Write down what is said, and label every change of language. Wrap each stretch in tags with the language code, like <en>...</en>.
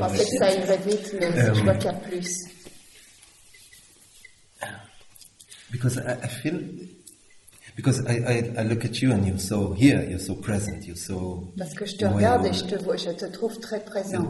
<fr>En fait, ça irait vite, mais je vois qu'il y a plus.</fr> <en>Because I feel. Because I look at you and you're so here, you're so present, you're so.</en> <fr>Parce que je te regarde et je te trouve très présent.</fr>